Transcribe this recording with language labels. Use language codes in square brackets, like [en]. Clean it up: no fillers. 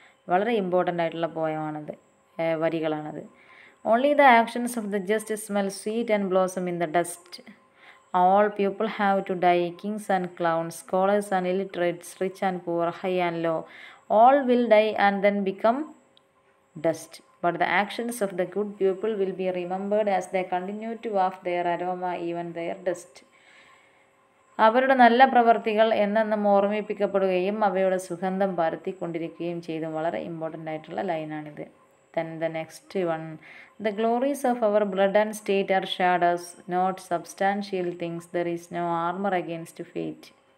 [ml] വളരെ ഇമ്പോർട്ടൻ്റ് ആയിട്ടുള്ള പോയമാണത്, വരികളാണത്. [en] Only the actions of the just smell sweet and blossom in the dust. All people have to die, kings and clowns, scholars and illiterates, rich and poor, high and low, all will die and then become dust. But the actions of the good people will be remembered as they continue to waft their aroma even their dust. [ml] അവരുടെ നല്ല പ്രവൃത്തികൾ എന്നെന്നും ഓർമ്മിപ്പിക്കപ്പെടുകയും അവയുടെ സുഗന്ധം പരത്തിക്കൊണ്ടിരിക്കുകയും ചെയ്തു. വളരെ important ആയിട്ടുള്ള ലൈനാണിത്. [en] Then the next one, the glories of our blood and state are shadows, not substantial things, there is no armour against fate.